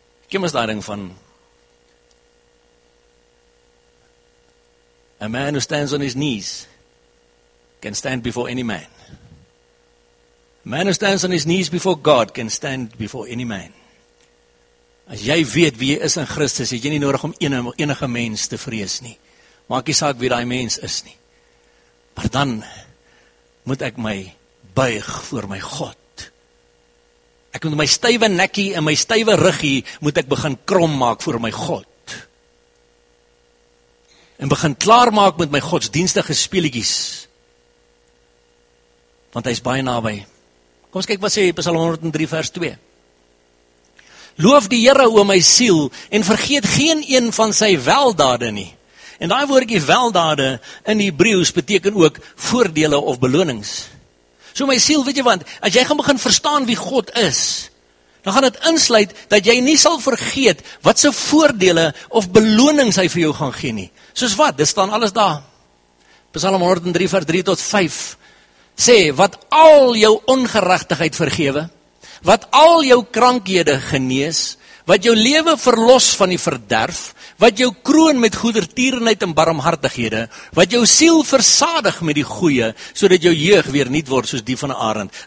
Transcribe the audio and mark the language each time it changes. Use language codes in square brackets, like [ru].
[af] Kom ons daar ding van [en] a man who stands on his knees can stand before any man. Man who stands on his knees before God can stand before any man. [af] As jy weet wie jy is in Christus, het jy nie nodig om enige mens te vrees nie. Maak nie saak wie daai mens is nie. Maar dan moet ek my buig voor my God. Ek moet my stywe nekkie en my stywe ruggie moet ek begin krom maak voor my God. En begin klaar maak met my godsdienstige speelietjies. Want hy is baie naby. Kom ons kyk wat sê Psalm 103 vers 2. Loof die Here o my siel en vergeet geen een van sy weldade nie. En daai woordjie weldade in Hebreeus beteken ook voordele of belonings. So my siel, weet jy wat, as jy gaan begin verstaan wie God is, dan gaan het insluit dat jy nie sal vergeet wat sy voordele of belonings hy vir jou gaan gee nie. Soos wat, dit staan alles daar. Psalm 103 vers 3 tot 5 sê, wat al jou ongeregtigheid vergewe, wat al jou krankhede genees, wat jou lewe verlos van die verderf, wat jou kroon met goedertierenheid en barmhartighede, wat jou siel versadig met die goeie, sodat jou jeug weer niet word soos die van een arend.